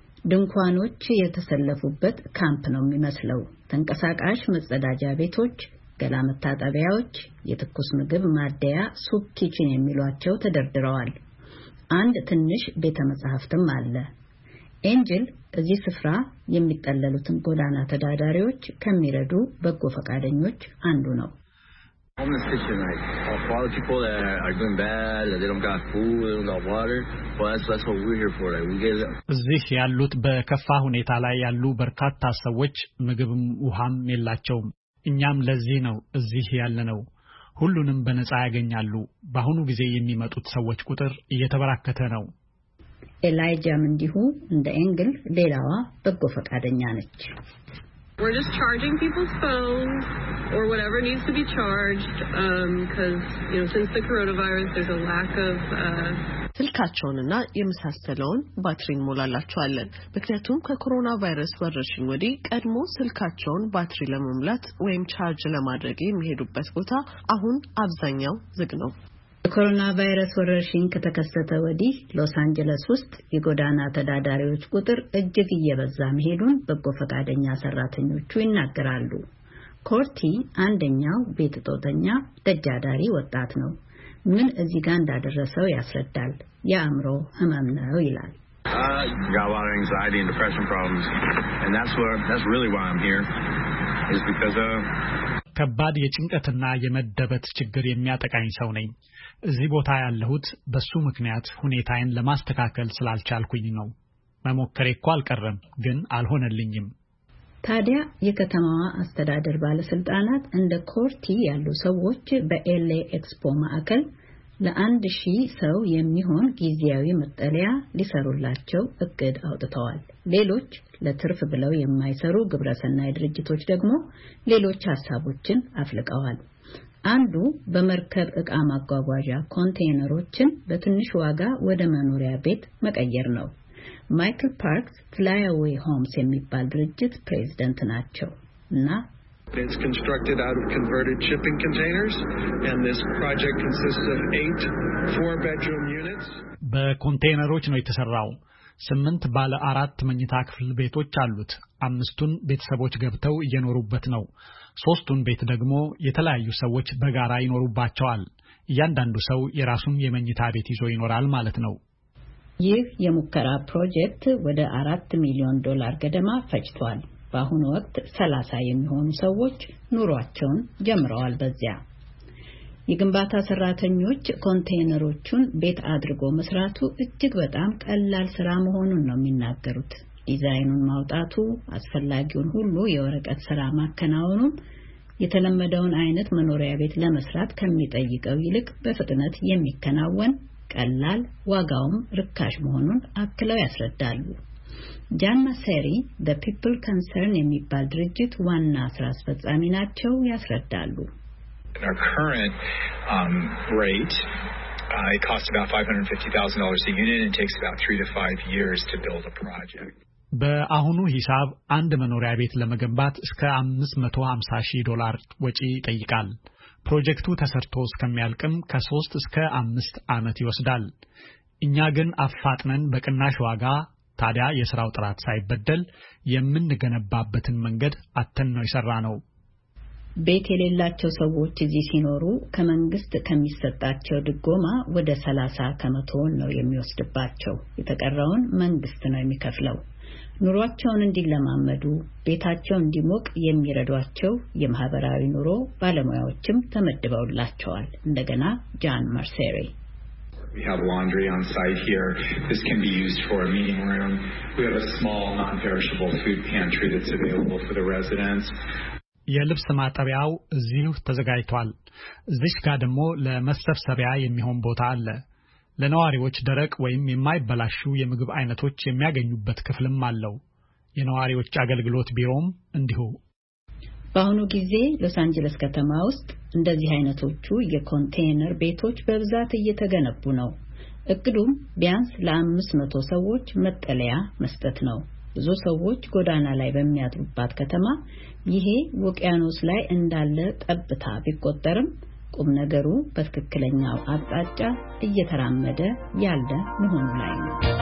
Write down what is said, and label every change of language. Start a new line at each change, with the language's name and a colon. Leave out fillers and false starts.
Amharic: ድንኳኖች የተሰለፉበት ካምፕ ነው የሚመስለው። ተንቀሳቃሽ መጸዳጃ ቤቶች፣ ገላ መታጠቢያዎች፣ የትኩስ ምግብ ማደያ ሱፕ ኪችን የሚሏቸው ተደርድረዋል። አንድ ትንሽ ቤተ መጻሕፍትም አለ። ኤንጀል እዚህ ስፍራ የሚጠለሉትን ጎዳና ተዳዳሪዎች ከሚረዱ በጎ ፈቃደኞች አንዱ ነው።
English: On the station, like, a lot of people that are doing bad, that they don't got food, they don't got water, but that's what we're here for, like, we get it.
Amharic: እዚህ ያሉት በከፋ ሁኔታ ላይ ያሉ በርካታ ሰዎች ምግብም ውሃም የላቸውም። እኛም ለዚህ ነው እዚህ ያለነው። ሁሉንም በነጻ ያገኛሉ። በአሁኑ ጊዜ የሚመጡት ሰዎች ቁጥር እየተበራከተ ነው። ኤላይጃም እንዲሁ እንደ ኤንግል ሌላዋ በጎ ፈቃደኛ ነች።
English: We're just charging people's phones or whatever needs to be charged because, you know, since the coronavirus there's a lack of
Amharic: ስልካቸውንና የመሳሰለውን ባትሪን ሞላላቸዋለን። ምክንያቱም ከኮሮና ቫይረስ ወረርሽኝ ወዲህ ቀድሞ ስልካቸውን ባትሪ ለመሙላት ወይም ቻርጅ ለማድረግ የሚሄዱበት ቦታ አሁን አብዛኛው ዝግ ነው። ኮሮና ቫይረስ ወረርሽኝ ከተከሰተ ወዲህ ሎስ አንጀለስ ውስጥ የጎዳና ተዳዳሪዎች ቁጥር እጅግ እየበዛ መሄዱን በጎ ፈቃደኛ ሰራተኞች ይናገራሉ። ኮርቲ አንደኛው ቤት ጦተኛ ተዳዳሪ ወጣት ነው። ምን እዚህ ጋር እንዳደረሰው ያስረዳል። ያምሮ ህመም ነው ይላል።
English: Got a lot of anxiety and depression problems and that's really why I'm here is because
Amharic: ከባድ የጭንቀትና የመደበት ችግር የሚያጠቃኝ ሰው ነኝ። እዚህ ቦታ ያለሁት በሱ ምክንያት ሁኔታዬን ለማስተካከል ስላልቻልኩኝ ነው። መሞከሬ እኮ አልቀረም ግን አልሆነልኝም። ታዲያ የከተማዋ አስተዳደር ባለስልጣናት እንደ ኮርቲ ያሉ ሰዎች በኤልኤ ኤክስፖ ማዕከል ለአንድ ሺህ ሰው የሚሆን ጊዜያዊ መጠለያ ሊሰሩላቸው እቅድ አውጥተዋል። ሌሎች ለትርፍ ብለው የማይሰሩ ግብረሰናይ ድርጅቶች ደግሞ ሌሎች ሐሳቦችን አፍልቀዋል። አንዱ በመርከብ እቃ ማጓጓዣ ኮንቴይነሮችን በትንሽ ዋጋ ወደ መኖሪያ ቤት መቀየር ነው። ማይክል ፓርክስ ፍላይአዌይ ሆምስ የሚባል ድርጅት ፕሬዝዳንት ናቸው። እና
English: It's constructed out of converted shipping containers and this project consists of 8 four-bedroom units.
Amharic: በኮንቴይነሮች ነው የተሰራው። 8 ባለ 4 መኝታ ክፍል ቤቶች አሉት። 5ቱን ቤተሰቦች ገብተው እየኖሩበት ነው። 3ቱን ቤት ደግሞ የተለያዩ ሰዎች በጋራ ይኖሩባቸዋል። እያንዳንዱ ሰው የራሱን የመኝታ ቤት ይዞ ይኖራል ማለት ነው። ይህ የሙከራ ፕሮጀክት ወደ 4 ሚሊዮን ዶላር ገደማ ፈጅቷል። በአሁኑ ወቅት 30 የሚሆኑ ሰዎች ኑሯቸውን ጀምረዋል በዚያ። የግንባታ ሰራተኞች ኮንቴይነሮቹን ቤት አድርጎ መስራቱ እጅግ በጣም ቀላል ስራ መሆኑን ነው የሚናገሩት። ዲዛይኑን ማውጣቱ፣ አስፈላጊውን ሁሉ የወረቀት ስራ ማከናወኑ የተለመደውን አይነት መኖሪያ ቤት ለመስራት ከሚጠይቀው ይልቅ በፍጥነት የሚከናወን ቀላል ዋጋውም ርካሽ መሆኑን አክለው ያስረዳሉ። ጃና ሰሪ ዘ ፒፕል ካንሰርን የሚባል ድርጅት ዋና ስራ አስፈጻሚ ናቸው ያስረዳሉ።
English: In our current rate it costs about $550,000 a unit and takes about 3 to 5 years to build a project.
Amharic: በአሁኑ ሂሳብ አንድ መኖሪያ ቤት ለመገንባት እስከ $550,000 ወጪ ይጠይቃል። ፕሮጀክቱ ተሰርቶ እስከሚያልቅም ከ3 እስከ 5 ዓመት ይወስዳል። እኛ ግን አፋጥነን በቅናሽ ዋጋ ታዲያ የሥራው ጥራት ሳይበደል የምንገነባበትን መንገድ አጥተን ነው የሰራነው። ቤት የሌላቸው ሰዎች እዚህ ሲኖሩ ከመንግስት ከሚሰጣቸው ድጎማ ወደ 30 ከመቶ ነው የሚወስድባቸው። የተቀረውን መንግስት ነው የሚከፍለው። ኑሯቸውን እንዲለማመዱ ቤታቸው እንዲሞቅ የሚረዷቸው የማህበራዊ ኑሮ ባለሙያዎችም ተመድበውላቸዋል። እንደገና ጃን ማርሴሪ
English: We have laundry on site here. This can be used for a meeting room. We have a small non-perishable food pantry that's available for the residents.
Amharic: የልብስ ማጠቢያው እዚሁ ተዘጋጅቷል። እዚህ ጋር ደግሞ ለመሰብሰቢያ የሚሆን ቦታ አለ። ለነዋሪዎች ደረቅ ወይም የማይበላሹ የምግብ አይነቶች የሚያገኙበት ክፍልም አለው። የነዋሪዎች አገልግሎት ቢሮም እንዲሁ። በአሁኑ ጊዜ ሎስ አንጀለስ ከተማ ውስጥ እንደዚህ አይነቶቹ የኮንቴይነር ቤቶች በብዛት እየተገነቡ ነው። እቅዱም ቢያንስ ለ500 ሰዎች መጠለያ መስጠት ነው። ብዙ ሰዎች ጎዳና ላይ በሚያጥሩባት ከተማ ይሄ ውቅያኖስ ላይ እንዳለ ጠብታ ቢቆጠርም ቁም ነገሩ በትክክለኛው አቅጣጫ እየተራመደ ያለ መሆኑ ላይ ነው።